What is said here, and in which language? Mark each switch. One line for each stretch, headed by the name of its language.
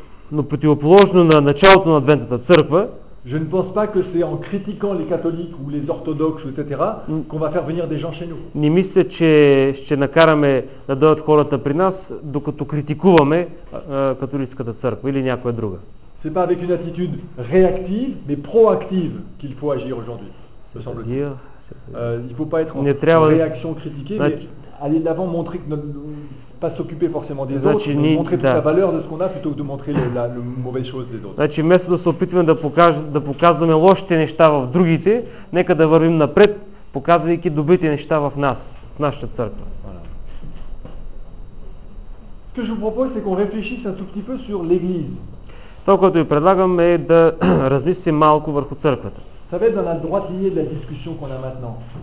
Bulgarian: но противоположно на началото на адвентната църква,
French: je ne pense pas que c'est en critiquant les catholiques ou les orthodoxes, etc., qu'on va faire venir des gens chez nous.
Bulgarian: Не мисля, че ще накараме да дойдат хората при нас, докато критикуваме католическата църква или някоя друга.
French: C'est pas avec une attitude réactive, mais proactive qu'il faut agir aujourd'hui, me semble-t-il. Il faut pas être en réaction critiquée, mais aller de l'avant, montrer que pas s'occuper forcément des autres, mais montrer toute la valeur de ce qu'on a plutôt que de montrer la mauvaise chose des autres.
Bulgarian: Значи, вместо да се опитваме да показваме лошите неща в другите, нека да вървим напред, показвайки добрите неща в нас, в нашата църква.
French: Ce que je vous propose, c'est qu'on réfléchisse un tout petit peu sur l'église.
Bulgarian: Това, което ви предлагам, е да размислим малко върху църквата.
French: Ça va être dans la droite lignée de la discussion qu'on a maintenant.